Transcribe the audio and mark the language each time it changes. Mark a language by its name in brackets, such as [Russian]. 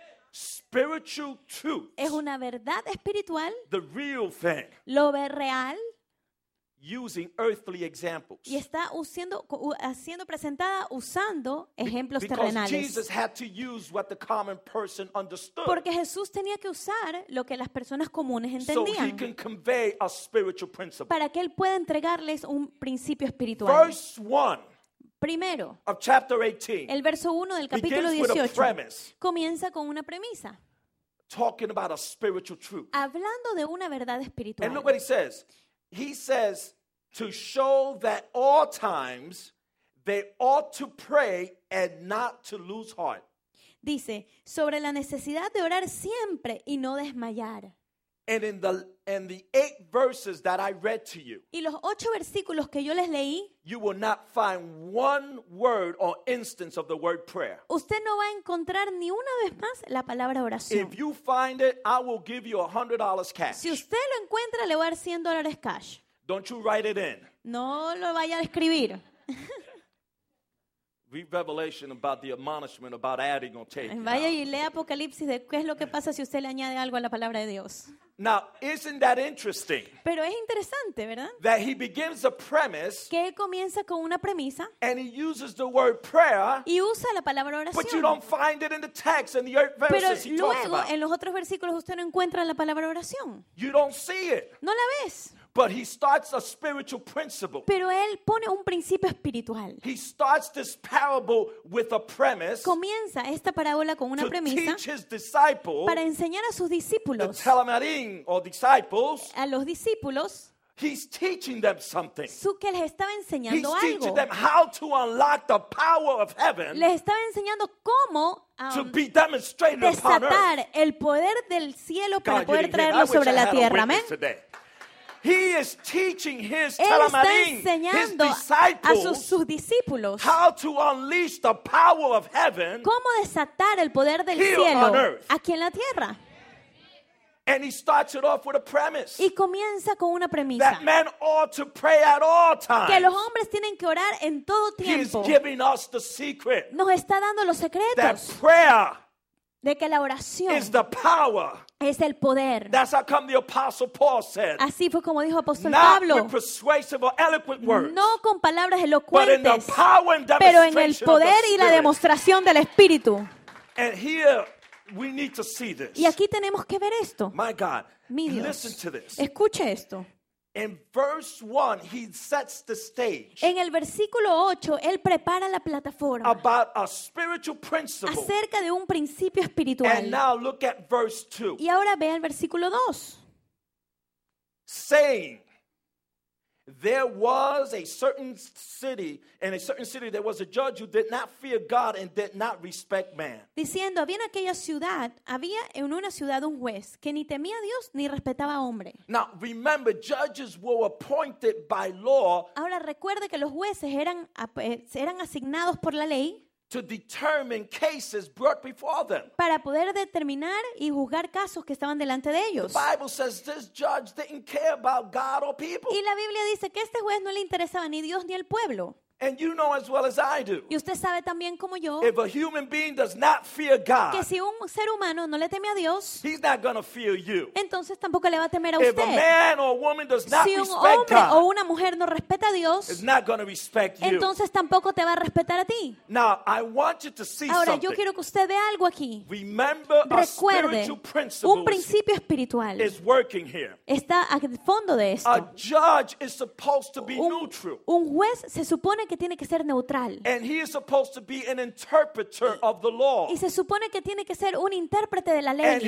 [English] Spiritual truth. [Spanish] Es una verdad espiritual. [English] The real thing. [Spanish] Lo real. [English] Using earthly examples. [Spanish] Y está haciendo presentada usando ejemplos [English] because [Spanish] terrenales. [English] Jesus had to use what the common person understood. [Spanish] Porque Jesús tenía que usar lo que las personas comunes entendían. [English] So he can convey a spiritual principle. [Spanish] Para que él pueda entregarles un principio espiritual. [English] Verse 1. [Spanish] Primero, [English] of chapter 18, [Spanish] el verso 1 del capítulo 18 [English] premise, [Spanish] comienza con una premisa [English] talking about a spiritual truth. [Spanish] Hablando de una verdad espiritual. [English] And look what he says. He says to show that all times they ought to pray and not to lose heart. [Spanish] Dice, sobre la necesidad de orar siempre y no desmayar. [English] And in the 8 verses that I read to you. [Spanish] Y los 8 versículos que yo les leí. [English] You will not find one word or instance of the word prayer. [Spanish] Usted no va a encontrar ni una vez más la palabra oración. [English] If you find it, I will give you $100 cash. [Spanish] Si usted lo encuentra, le voy a dar $100 cash. [English] Don't you write it in. [Spanish] No lo vaya a escribir. [English] Read Revelation about the admonishment about adding or taking. [Spanish] Vaya y lea Apocalipsis de qué es lo que pasa si usted le añade algo a la palabra de Dios. [English] Now, isn't that interesting? [Spanish] Pero es interesante, ¿verdad? [English] That he begins a premise. [Spanish] Que él comienza con una premisa. [English] And he uses the word prayer. [Spanish] Y usa la palabra oración. [English] But you don't find it in the text and the verses he [Spanish] luego, [English] talks about. [Spanish] Pero luego, en los otros versículos, usted no encuentra la palabra oración. [English] You don't see it. [Spanish] No la ves. [English] But he starts a spiritual principle. [Spanish] Pero él pone un principio espiritual. [English] He starts this parable with a premise. [Spanish] Comienza esta parábola con una premisa. [English] To teach his disciples. [Spanish] Para enseñar a sus discípulos. [English] The telemarine or disciples. [Spanish] A los discípulos. [English] He's teaching them something. [Spanish] Que les estaba enseñando [English] He's [Spanish] algo. [English] He's teaching them how to unlock the power of heaven. [Spanish] Les estaba enseñando cómo [English] to be demonstrated upon earth. [Spanish] Desatar el poder del cielo para poder traerlo sobre la tierra. [English] Amen. He is teaching his telemarine, his disciples, how to unleash the power of heaven. [Spanish] Cómo desatar el poder del cielo aquí en la tierra. [English] And he starts it off with a premise. [Spanish] Y comienza con una premisa. [English] That men ought to pray at all times. [Spanish] Que los hombres tienen que orar en todo tiempo. [English] He is giving us the secret. [Spanish] Nos está dando los secretos. [English] That prayer. [Spanish] De que la oración. [English] Is the power. [Spanish] Es el poder. [English] That's how come the Apostle Paul said. [Spanish] Así fue como dijo apóstol [English] Not [Spanish] Pablo. [English] Not with persuasive or eloquent words. [Spanish] No con palabras elocuentes. [English] But in the power and demonstration. [Spanish] Pero en el poder y la demostración del Espíritu. [English] And here. We need to see this. [Spanish] Y aquí tenemos que ver esto. [English] My God, [Spanish] mi Dios, [English] listen to this. [Spanish] Escuche esto. [English] In verse 1, he sets the stage. [Spanish] En el versículo 8, él prepara la plataforma. [English] About a spiritual principle. [Spanish] Acerca de un principio espiritual. [English] And now look at verse 2. [Spanish] Y ahora ve el versículo 2. [English] Saying, there was a certain city, in a certain city there was a judge who did not fear God and did not respect man. [Spanish] Diciendo, había en aquella ciudad, había en una ciudad un juez que ni temía a Dios ni respetaba a hombre. [English] Now, remember, judges were appointed by law. [Spanish] Ahora recuerde que los jueces eran asignados por la ley. [English] To determine cases brought before them. [Spanish] Para poder determinar y juzgar casos que estaban delante de ellos. [English] The Bible says this judge didn't care about God or people. [Spanish] Y la Biblia dice que este juez no le interesaba ni Dios ni el pueblo. [English] And you know as well as I do. [Spanish] Y usted sabe también como yo. [English] If a human being does not fear God. [Spanish] Que si un ser humano no le teme a Dios. [English] He's not going to fear you. [Spanish] Entonces tampoco le va a temer a usted. [English] If a man or a woman does not respect God. [Spanish] Si un hombre o una mujer no respeta a Dios. [English] He's not going to respect you. [Spanish] Entonces tampoco te va a respetar a ti. [English] Now I want you to see something. [Spanish] Ahora yo quiero que usted vea algo aquí. [English] Remember a spiritual principle. [Spanish] Un principio espiritual. [English] Is working here. [Spanish] Está al fondo de esto. [English] A judge is supposed to be neutral. [Spanish] Un juez se supone que tiene que ser neutral. [English] And he is supposed to be an interpreter of the law. [Spanish] Y se supone que tiene que ser un intérprete de la ley.